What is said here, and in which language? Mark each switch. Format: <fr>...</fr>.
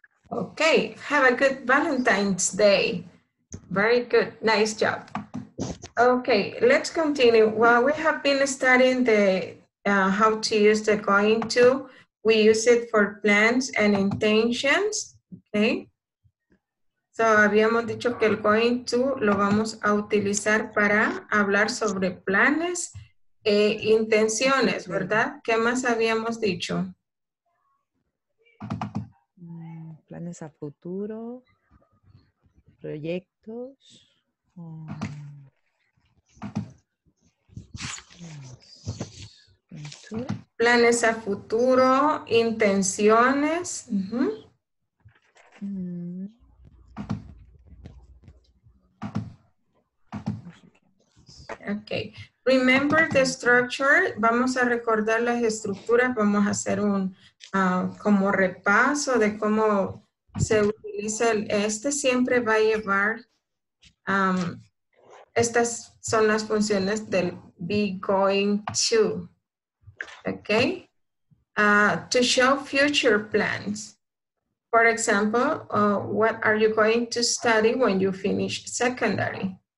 <en>Okay, have a good Valentine's Day. Very good, nice job. Okay, let's continue. Well, we have been studying the how to use the going to. We use it for plans and intentions, okay?</en> <es>So, habíamos dicho que el going to lo vamos a utilizar para hablar sobre planes e intenciones, ¿verdad? ¿Qué más habíamos dicho? Planes a futuro, proyectos. Planes a futuro, intenciones.</es> <en>Okay. Remember the structure.</en> <es>Vamos a recordar las estructuras. Vamos a hacer un como repaso de cómo se utiliza el, este siempre va a llevar. Estas son las funciones del be going to.</es> <en>Okay, to show future plans. For example, what are you going to study when you finish secondary?</en>